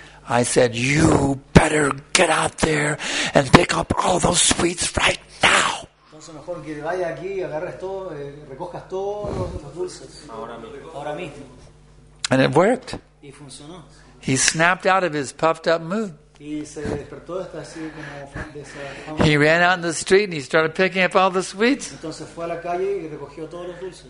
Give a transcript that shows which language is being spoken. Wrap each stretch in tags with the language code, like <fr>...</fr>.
<en>I said, "You better get out there and pick up all those sweets right now."</en> <es>Mejor que vaya aquí y agarres todo, recojas todos los dulces. Ahora mismo.</es> <en>And it worked.</en> <es>Y funcionó.</es> <en>He snapped out of his puffed up mood.</en> <es>Y se despertó hasta así como de esa.</es> <en>He ran out in the street and he started picking up all the sweets.</en> <es>Entonces fue a la calle y recogió todos los dulces.</es>